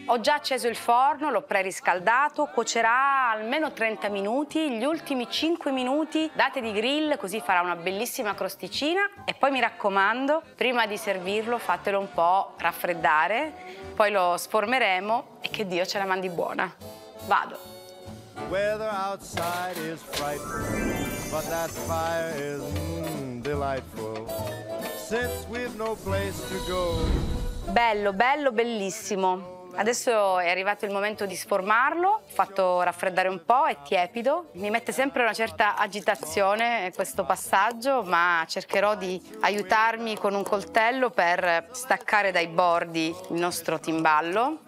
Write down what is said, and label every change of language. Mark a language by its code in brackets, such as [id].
[it] Ho già acceso il forno, l'ho preriscaldato, cuocerà almeno 30 minuti, gli ultimi 5 minuti date di grill, così farà una bellissima crosticina. E poi mi raccomando, prima di servirlo fatelo un po' raffreddare, poi lo sformeremo e che Dio ce la mandi buona. Vado. [en] The weather outside is frightful, but that fire is delightful. Since we've no place to go. [it] Bello, bello, bellissimo. Adesso è arrivato il momento di sformarlo, ho fatto raffreddare un po', è tiepido. Mi mette sempre una certa agitazione questo passaggio, ma cercherò di aiutarmi con un coltello per staccare dai bordi il nostro timballo.